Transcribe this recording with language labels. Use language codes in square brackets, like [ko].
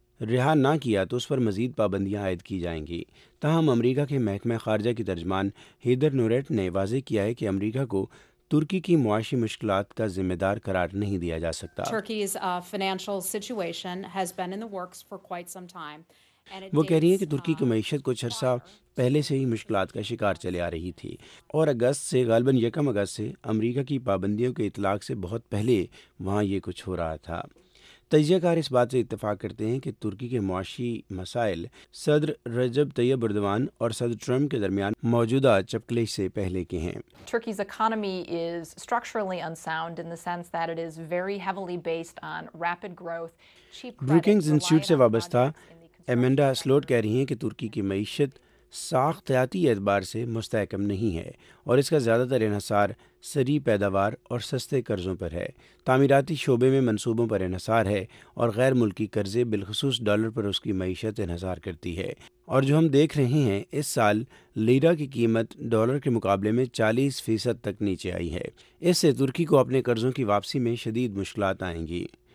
[ur] رہا نہ کیا تو اس پر مزید پابندیاں عائد کی جائیں گی۔ تاہم امریکہ کے محکمہ خارجہ کی ترجمان ہیدر نوریٹ نے واضح کیا ہے کہ امریکہ کو ترکی کی معاشی مشکلات کا ذمہ دار قرار نہیں دیا جا سکتا۔ وہ کہہ رہی ہیں کہ ترکی کی معیشت کچھ عرصہ پہلے سے ہی مشکلات کا شکار چلے آ رہی تھی، اور اگست سے، غالباً یکم اگست سے، امریکہ کی پابندیوں کے اطلاق سے بہت پہلے وہاں یہ کچھ ہو رہا تھا۔ تجزیہ کار اس بات سے اتفاق کرتے ہیں کہ ترکی کے معاشی مسائل صدر رجب طیب اردوان اور صدر ٹرمپ کے درمیان موجودہ چپکلش سے پہلے کے ہیں۔ [en] Turkey's economy is structurally unsound in the sense that it is very heavily based on rapid growth, cheap credit. [ur] Brookings Institute سے وابستہ ایمنڈا سلوٹ کہہ رہی ہیں کہ ترکی کی معیشت ساختیاتی اعتبار سے مستحکم نہیں ہے، اور اس کا زیادہ تر انحصار سری پیداوار اور سستے قرضوں پر ہے۔ تعمیراتی شعبے میں منصوبوں پر انحصار ہے، اور غیر ملکی قرضے بالخصوص ڈالر پر اس کی معیشت انحصار کرتی ہے۔ اور جو ہم دیکھ رہے ہیں، اس سال لیرا کی قیمت ڈالر کے مقابلے میں 40% تک نیچے آئی ہے۔ اس سے ترکی کو اپنے قرضوں کی واپسی میں شدید مشکلات آئیں گی۔